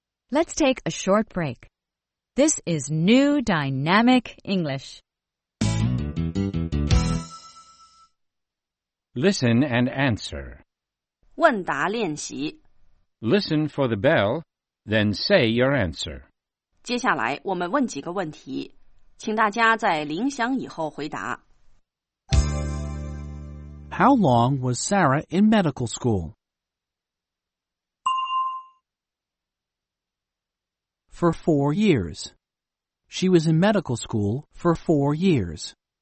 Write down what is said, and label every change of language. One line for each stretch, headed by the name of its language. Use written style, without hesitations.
English: Let's take a short break. This is New Dynamic English. Listen and answer.
Chinese: 问答练习。
English: Listen for the bell, then say your answer.
Chinese: 接下来我们问几个问题，请大家在铃响以后回答。
English: How long was Sarah in medical school? For 4 years. She was in medical school for 4 years.